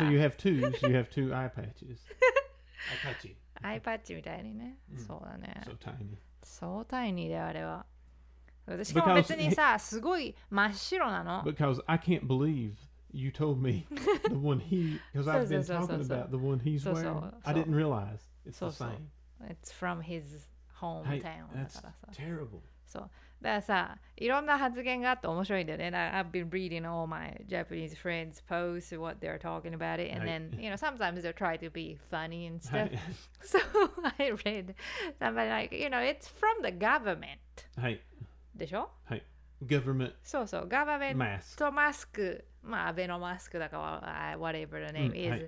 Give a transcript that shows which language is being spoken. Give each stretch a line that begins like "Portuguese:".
English: So you have two, so you have two eye patches.
Japanese: アイパッチみたいにね。そうだね。
English: So tiny. So tiny
Japanese: であれは。しかも別にさ、すごい真っ白なの。
English: Because I can't believe you told me the one he, because I've been talking about the one he's wearing. I didn't realize it's the same. It's from his hometown. That's terrible. So.
Japanese: だからさ、いろんな発言があって面白いんだよね。
English: I've been reading all my Japanese friends posts, what they're talking about it, and then, you know, sometimes they try to be funny and stuff. So I read somebody like, you know, it's from the government.
Japanese: はい。でしょ? はい。Government. そうそう。Government mask. とマスク。まあ、アベノマスクだから、
English: whatever the name is.